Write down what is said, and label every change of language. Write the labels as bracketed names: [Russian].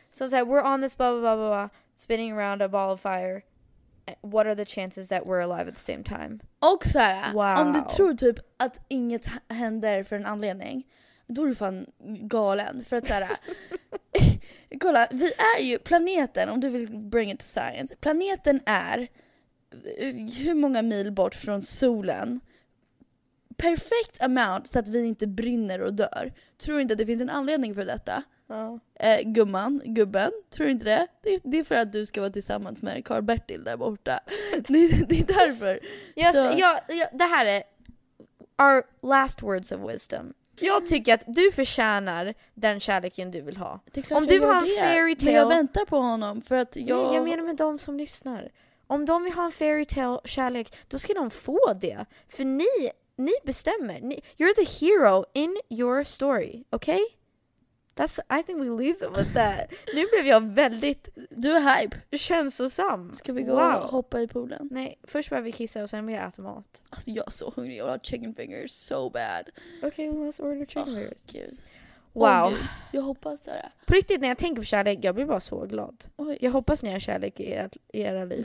[English] Some said, we're on this blah, blah, blah, blah, blah, spinning around a ball of fire. What are the chances that we're alive at the same time? [Swedish] Och så här, wow. Om du tror typ att inget händer för en anledning, då är du fan galen. För att såhär, kolla, vi är ju planeten, om du vill [English] bring it to science. [Swedish] Planeten är hur många mil bort från solen? [English] Perfect amount [Swedish] så att vi inte brinner och dör. Tror inte att det finns en anledning för detta? Oh. Gubben, tror inte det? Det är för att du ska vara tillsammans med Carl Bertil där borta. Det är därför. [English] Yes, [Swedish] det här är [English] our last words of wisdom. [Swedish] Jag tycker att du förtjänar den kärleken du vill ha. Om du vill ha en fairy tale, men jag väntar på honom för att jag... Nej, jag menar med de som lyssnar. Om de vill ha en fairy tale kärlek, då ska de få det. För ni bestämmer. [English] You're the hero in your story, okay? That's, I think we leave them with that. [Swedish] Nu blev jag väldigt... Du är hype. Känslosam. Ska vi gå och hoppa i poolen? Nej, först behöver vi kissa och sen vill jag äta mat. Alltså, jag är så hungrig. Jag har chicken fingers [English] so bad. Okay, well, let's order chicken fingers. [Swedish] Gud. Wow. Jag hoppas det här. På riktigt, när jag tänker på kärlek, jag blir bara så glad. Oj. Jag hoppas ni har kärlek i era liv.